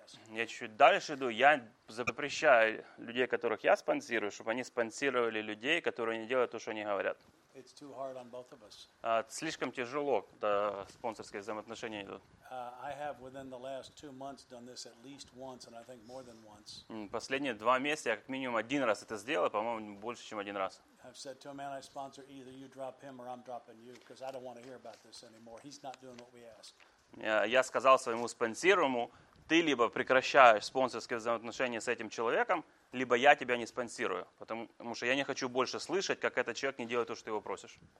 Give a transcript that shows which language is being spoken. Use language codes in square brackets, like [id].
[ru] Я чуть-чуть дальше иду, я запрещаю людей, которых я спонсирую, чтобы они спонсировали людей, которые не делают то, что они говорят. [en] It's too hard on both of us. [ru] Слишком тяжело, когда спонсорские взаимоотношения идут. [en] I have within the last two months done this at least once, and I think more than once. [ru] Последние два месяца я как минимум один раз это сделал, по-моему, больше, чем один раз. [en] I've said to a man I sponsor, either you drop him or I'm dropping you, because I don't want to hear about this anymore. He's not doing what we ask. [ru] Я сказал своему спонсируемому, ты либо прекращаешь спонсорские взаимоотношения с этим человеком, либо я тебя не спонсирую, потому что я не хочу больше слышать, как этот человек не делает то, что ты его просишь.